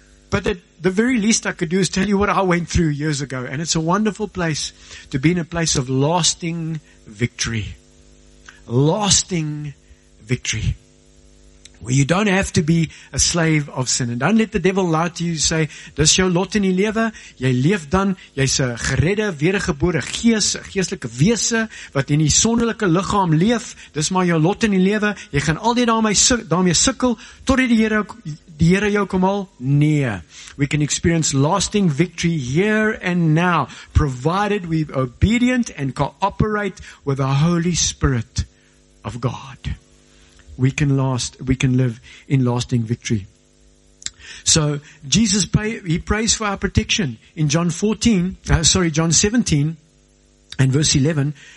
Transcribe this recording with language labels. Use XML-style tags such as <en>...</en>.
<en>But at the very least I could do is tell you what I went through years ago. And it's a wonderful place to be, in a place of lasting victory. Lasting victory. Where you don't have to be a slave of sin. And don't let the devil lie to you, say,</en> <af>dis jou lot in die lewe. Jy leef dan, jy's 'n geredde, wedergebore gees, 'n geestelike wese wat in die sonderlike liggaam leef. Dis maar jou lot in die lewe. Jy gaan altyd daarmee sukkel tot die Here jou kom haal. Nee.</af> <en>We can experience lasting victory here and now, provided we're obedient and cooperate with the Holy Spirit of God. We can live in lasting victory. So Jesus prays for our protection in John 17 and verse 11.</en>